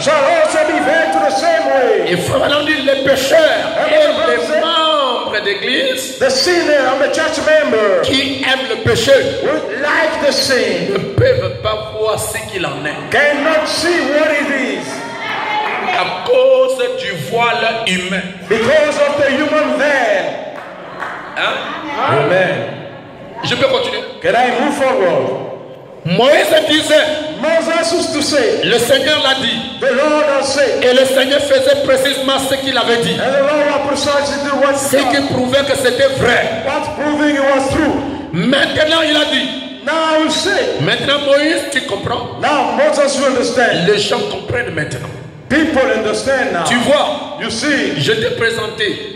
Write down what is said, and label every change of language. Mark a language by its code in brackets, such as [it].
[en] Shall also be veiled to the same way. [fr] Et frère Branham dit les pécheurs et les membres d'église, [en] the sinner and the church member, [fr] qui aiment le péché, [en] would like the sin, [fr] ne peuvent pas voir ce qu'il en est. [en] Cannot see what it is. [fr] À cause du voile humain. [en] Because of the human veil. Hein? Amen. [fr] Je peux continuer? [en] Can I move forward? [fr] Moïse disait, [en] Moses used to say, [fr] le Seigneur l'a dit, [en] the Lord has said, [fr] et le Seigneur faisait précisément ce qu'il avait dit, [en] and the Lord had precisely did what he said, [fr] ce qui prouvait que c'était vrai. [en] That's proving it was true. [fr] Maintenant il a dit, [en] now you see, [fr] maintenant Moïse tu comprends, [en] now Moses you understand, [fr] les gens comprennent maintenant. [en] People understand now. [fr] Tu vois, [en] you see, [fr] je t'ai présenté,